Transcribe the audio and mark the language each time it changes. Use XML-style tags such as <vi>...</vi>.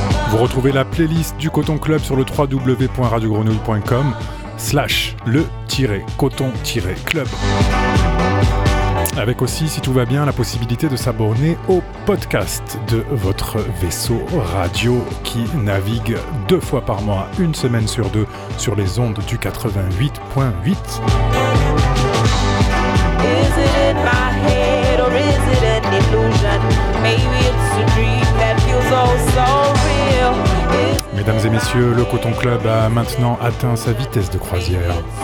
<fr>Vous retrouvez la playlist du Coton Club sur le www.radiogrenouille.com/le-coton-club. Avec aussi, si tout va bien, la possibilité de s'abonner au podcast de votre vaisseau radio qui navigue deux fois par mois, une semaine sur deux, sur les ondes du 88.8.</fr> <en>Is it in my head or is it an illusion? Maybe it's a dream that feels all so real.</en> <fr>Mesdames et messieurs, le Coton Club a maintenant atteint sa vitesse de croisière.</fr>